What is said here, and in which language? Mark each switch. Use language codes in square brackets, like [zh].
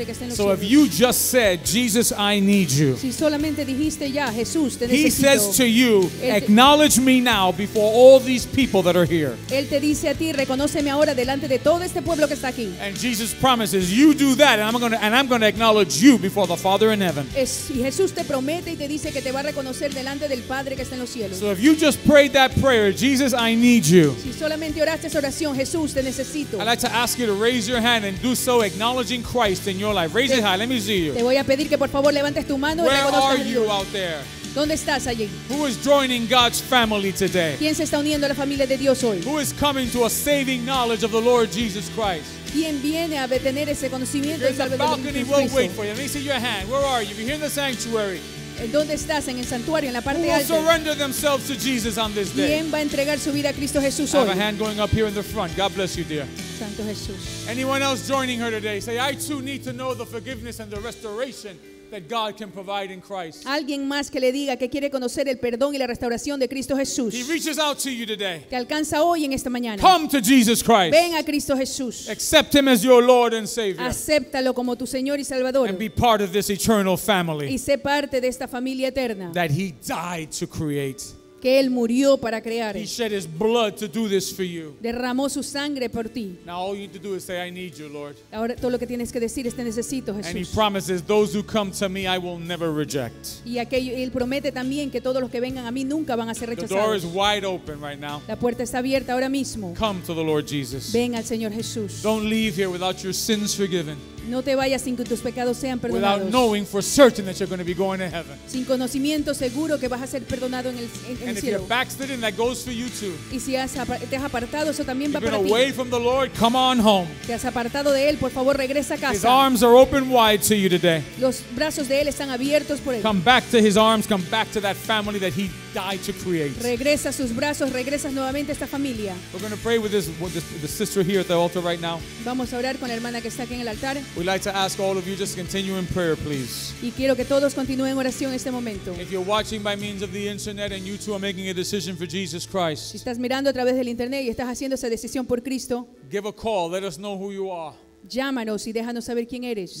[en] So if you just said, Jesus, I need you, [es] si solamente dijiste ya, Jesús, te he necesito. [en] Says to you, acknowledge me now before all these people that are here. [es] Él te dice a ti, reconóceme ahora delante de todo este pueblo que está aquí. [en] And Jesus promises, you do that and I'm going to acknowledge you before the Father in heaven. [es] Jesús te promete y te dice que te va a reconocer delante del Padre que está en los cielos. [en] So if you just prayed that prayer, Jesus, I need you. [es] Si solamente oraste esa oración, Jesús, te necesito. [en] I'd like to ask you to raise your hand and do so, acknowledging Christ in your life. Raise it high. Let me see you. [es] Te voy a pedir que por favor levantes tu mano y reconozcas a Dios. [en] Where are you out there? [es] ¿Dónde estás allí? [en] Who is joining God's family today? [es] ¿Quién se está uniendo a la familia de Dios hoy? [en] Who is coming to a saving knowledge of the Lord Jesus Christ? [es] ¿Quién viene a tener ese conocimiento? [en] There's a balcony, we'll wait for you. Let me see your hand. Where are you? You're here in the sanctuary. [es] ¿Dónde estás? En el santuario, en la parte [en] Who [es] alta. [en] Will surrender themselves to Jesus on this day? [es] ¿Quién va a entregar su vida a Cristo Jesús hoy? [en] I have a hand going up here in the front. God bless you, dear. [es] Santo Jesús. [en] Anyone else joining her today? Say, I too need to know the forgiveness and the restoration that God can provide in Christ. [es] Alguien más que le diga que quiere conocer el perdón y la restauración de Cristo Jesús. [en] He reaches out to you today. [es] Te alcanza hoy en esta mañana. [en] Come to Jesus Christ. [es] Ven a Cristo Jesús. [en] Accept Him as your Lord and Savior. [es] Acéptalo como tu Señor y Salvador. [en] And be part of this eternal family. [es] Y sé parte de esta familia eterna. [en] That He died to create. [es] Que Él murió para crear. [en] He shed His blood to do this for you. [es] Derramó su sangre por ti. [en] Now all you need to do is say, I need you, Lord. [es] Ahora todo lo que tienes que decir es, te necesito, Jesús. [en] And He promises, those who come to me, I will never reject. [es] Y aquello, Él promete también que todos los que vengan a mí nunca van a ser rechazados. [en] The door is wide open right now. [es] La puerta está abierta ahora mismo. [en] Come to the Lord Jesus. [es] Ven al Señor Jesús. [en] Don't leave here without your sins forgiven. [es] No te vayas sin que tus pecados sean perdonados. [en] Without knowing for certain that you're going to be going to heaven. [es] Sin conocimiento seguro que vas a ser perdonado en el cielo. [en] And if you're backslidden, that goes for you too. [es] Y si te has apartado, eso también va para ti. [en] You've been away from the Lord, come on home. [es] Te has apartado de Él, por favor, regresa a casa. [en] His arms are open wide to you today. [es] Los brazos de Él están abiertos por Él. [en] Come back to His arms, come back to that family that He died to create. [es] Regresa a sus brazos, regresa nuevamente a esta familia. [en] We're going to pray with the sister here at the altar right now. [es] Vamos a orar con la hermana que está aquí en el altar. [en] We'd like to ask all of you just to continue in prayer, please. [es] Y quiero que todos continúen en oración este momento. [en] If you're watching by means of the internet and you too are making a decision for Jesus Christ, [es] si estás mirando a través del internet y estás haciendo esa decisión por Cristo, [en] give a call. Let us know who you are. [es] Llámanos y déjanos saber quién eres.